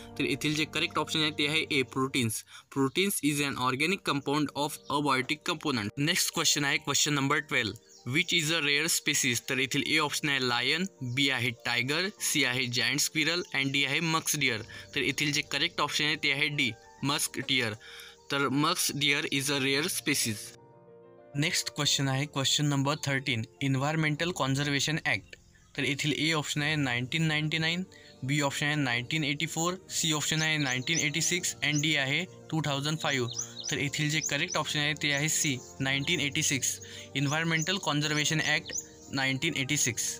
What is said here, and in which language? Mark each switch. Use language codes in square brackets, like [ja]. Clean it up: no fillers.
[mr] तर येथील जे करेक्ट ऑप्शन आहे ते आहे ए proteins. [en] Proteins is an organic compound of abiotic component. [mr] Next question आहे question number 12, [en] Which is a rare species. [mr] तर येथील ए ऑप्शन आहे लायन, बी आहे टायगर, सी आहे जायंट स्क्विरल अँड डी आहे मक्स डिअर। तर येथील जे करेक्ट ऑप्शन आहे ते आहे डी मस्क डिअर। [en] तर मक्स dear is a rare spaces. [mr] Next question आहे question number 13, environmental conservation act. तर येथील ए ऑप्शन आहे 1999, बी ऑप्शन आहे 1984, सी ऑप्शन आहे 1986 अँड डी आहे 2005। तर येथील जे करेक्ट ऑप्शन आहे ते आहे सी 1986, इन्व्हायरमेंटल कॉन्झर्वेशन ॲक्ट 1986।